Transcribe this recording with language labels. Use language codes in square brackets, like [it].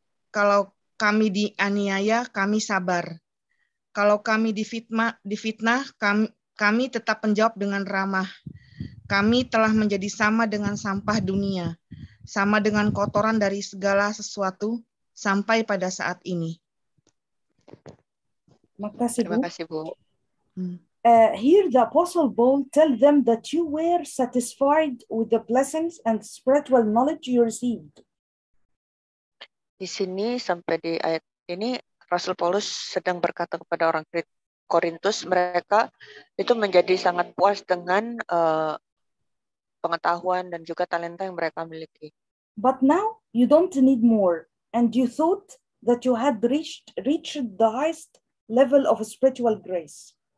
[id] Kalau kami dianiaya, kami sabar. Kalau kami difitnah, kami tetap menjawab dengan ramah. Kami telah menjadi sama dengan sampah dunia, sama dengan kotoran dari segala sesuatu, sampai pada saat ini. Terima kasih, Bu. [en] Here the Apostle Paul tell them that you were satisfied with the blessings and spiritual knowledge you received. [id] Di sini sampai di ayat ini Rasul Paulus sedang berkata kepada orang Korintus, mereka itu menjadi sangat puas dengan pengetahuan dan juga talenta yang mereka miliki. [en] But now you don't need more. And you thought that you had reached the highest level of spiritual grace.